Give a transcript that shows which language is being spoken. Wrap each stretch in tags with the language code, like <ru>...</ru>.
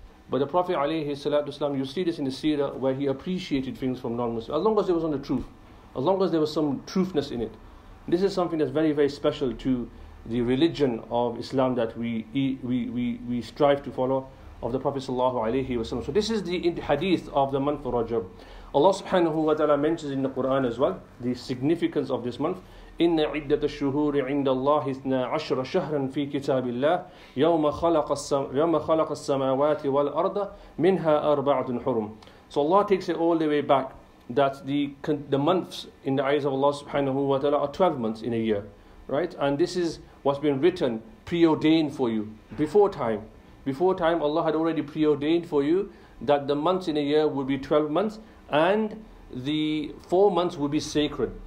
<en>But the Prophet alayhi salatu wasalam, you see this in the seerah where he appreciated things from non-Muslims, as long as it was on the truth, as long as there was some truthness in it. This is something that's very, very special to the religion of Islam that we strive to follow, of the Prophet sallallahu alayhi wa sallam. So this is the hadith of the month of Rajab. Allah subhanahu wa ta'ala mentions in the Quran as well, the significance of this month.</en> <ar>إن عدة الشهور عند الله 12 شهرا في كتاب الله يوم خلق السماوات والأرض منها أربعة حرم.</ar> <en>So Allah takes it all the way back that the months in the eyes of Allah subhanahu wa ta'ala are 12 months in a year, right? And this is what's been written preordained for you before time. Before time, Allah had already preordained for you that the months in a year would be 12 months and the 4 months would be sacred.</en>